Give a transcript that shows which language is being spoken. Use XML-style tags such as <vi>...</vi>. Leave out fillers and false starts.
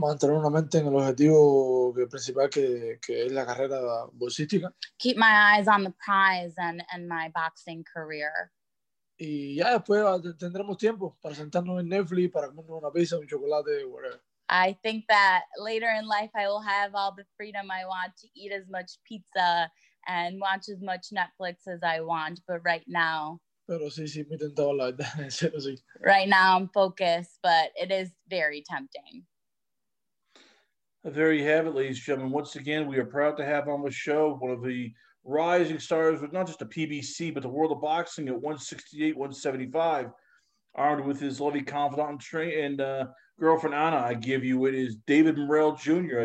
<es>Mantener una mente en el objetivo principal que es la carrera boxística.</es> <en>Keep my eyes on the prize and my boxing career.</en> <es>Y ya después tendremos tiempo para sentarnos en Netflix, para comernos una pizza, un chocolate, whatever.</es> <en>I think that later in life I will have all the freedom I want to eat as much pizza and watch as much Netflix as I want, but right now...</en> <es>Pero sí, me tentaba la verdad, en serio, sí.</es> <en>Right now I'm focused, but it is very tempting. There you have it, ladies and gentlemen. Once again, we are proud to have on the show one of the rising stars, with not just the PBC, but the world of boxing at 168, 175. armed with his lovely confidant and girlfriend Anna, I give you it is David Morrell Jr.</en>